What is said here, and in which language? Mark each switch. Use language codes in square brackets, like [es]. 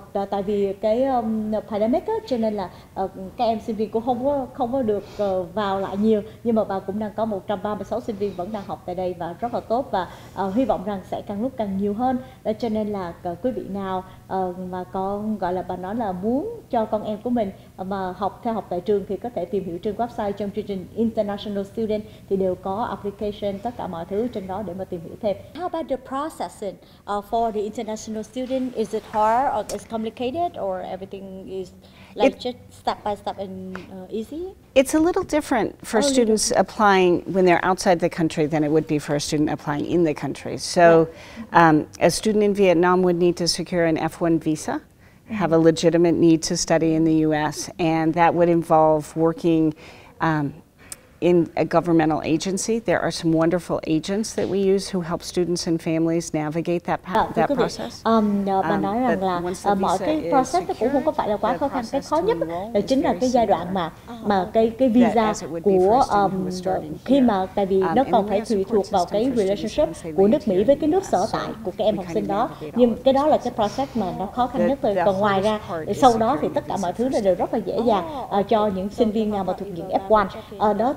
[vi] Tại vì cái pandemic cho nên là các em sinh viên cũng không có được vào lại nhiều, nhưng mà bà cũng đang có 136 sinh viên vẫn đang học tại đây và rất là tốt, và hy vọng rằng sẽ càng lúc càng nhiều hơn. Cho nên là quý vị nào mà con gọi là bà nói là muốn cho con em của mình mà học theo học tại trường thì có thể tìm hiểu trên website trong chương trình International Student thì đều có application, tất cả mọi thứ trên đó để mà tìm hiểu thêm. [en] How about the processing for the international student? Is it hard or is it complicated or everything is like just step by step and easy? It's a little different for students applying when they're outside the country than it would be for a student applying in the country. So a student in Vietnam would need to secure an F1 visa, have a legitimate need to study in the U.S., and that would involve working in a governmental agency. There are some wonderful agents that we use who help students and families navigate that that process. [vi] Bà nói rằng là mọi cái process cũng không có phải là quá khó khăn. Cái khó nhất là chính là cái giai đoạn mà cái visa của khi mà tại vì nó còn phải tùy thuộc vào cái relationship của nước Mỹ với cái nước sở tại của các em học sinh đó. Nhưng cái đó là cái process mà nó khó khăn nhất thôi. Còn ngoài ra sau đó thì tất cả mọi thứ đều rất là dễ dàng cho những sinh viên nào mà thuộc diện F1 đó.